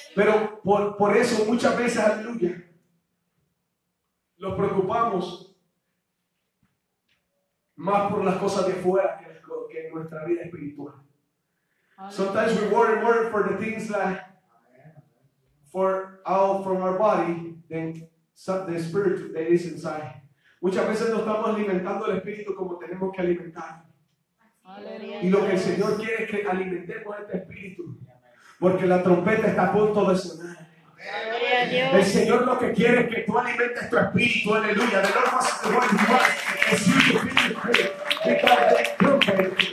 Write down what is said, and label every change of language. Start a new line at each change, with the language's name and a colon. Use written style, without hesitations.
Spanish: Pero por eso muchas veces, aleluya, nos preocupamos más por las cosas de fuera que en nuestra vida espiritual. Aleluya.
English: Sometimes we worry more for the things that for out from our body than the spirit that is inside.
Spanish: Muchas veces no estamos alimentando el espíritu como tenemos que alimentar. Y lo que el Señor quiere es que alimentemos este espíritu, porque la trompeta está a punto de sonar. El Señor lo que quiere es que tú alimentes tu espíritu. Aleluya. De lo más que voy a jugar es tu espíritu.